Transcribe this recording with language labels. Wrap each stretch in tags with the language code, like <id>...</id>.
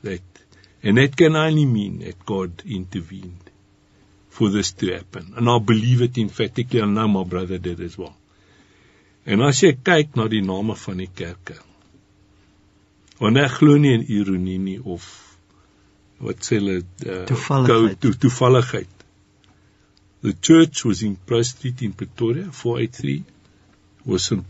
<en>That, and that can only mean that God intervened for this to happen. And I believe it emphatically, and now my brother did as well.</en> <af>En as jy kyk na die name van die kerke, want ek glo nie in ironie nie, of wat sê hulle, toevalligheid.</af> <en>The church was in Price Street in Pretoria, 483, was St.</en>